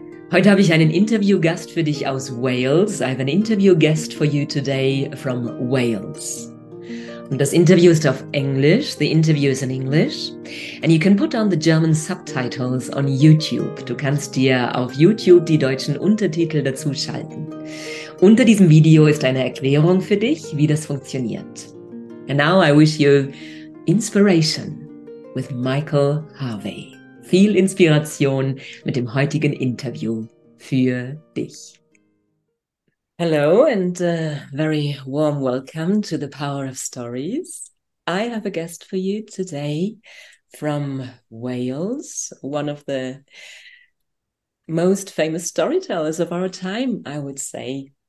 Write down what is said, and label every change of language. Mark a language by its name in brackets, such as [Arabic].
[German] Heute habe ich einen Interviewgast für dich aus Wales. [English] I have an interview guest for you today from Wales. [German] Und das Interview ist auf Englisch. [English] The interview is in English. And you can put on the German subtitles on YouTube. [German] Du kannst dir auf YouTube die deutschen Untertitel dazu schalten. Unter diesem Video ist eine Erklärung für dich, wie das funktioniert. [English] And now I wish you Inspiration with Michael Harvey. [German] Viel Inspiration mit dem heutigen Interview für dich. [English] Hello and a very warm welcome to the Power of Stories. I have a guest for you today from Wales, one of the most famous storytellers of our time, I would say.